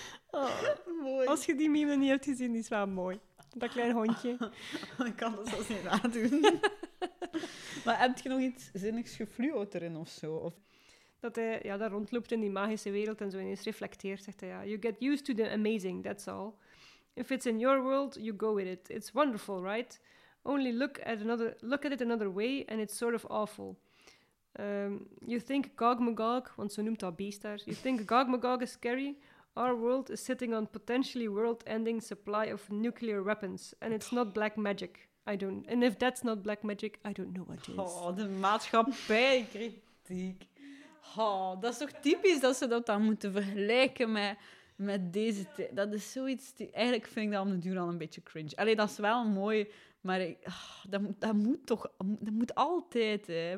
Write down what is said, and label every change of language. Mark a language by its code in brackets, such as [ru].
[nl] Oh, mooi. Als je die meme niet hebt gezien, die is wel mooi. Dat klein hondje. Ik kan dat zelfs niet nadoen. Maar heb je nog iets zinnigs gefluoot erin of zo? Of? Dat hij daar rondloopt in die magische wereld en zo ineens reflecteert. Zegt hij, [en] you get used to the amazing, that's all. If it's in your world, you go with it. It's wonderful, right? Only look at it another way and it's sort of awful. You think Gog Magog, [nl] want zo noemt dat beest daar. [en] You think Gog Magog is scary? Our world is sitting on potentially world-ending supply of nuclear weapons. And it's not black magic. And if that's not black magic, I don't know what is. [nl] Oh, de maatschappijkritiek. Oh, dat is toch typisch dat ze dat dan moeten vergelijken met deze tijd. Dat is zoiets... Eigenlijk vind ik dat om de duur al een beetje cringe. Allee, dat is wel mooi, maar dat moet altijd, hè.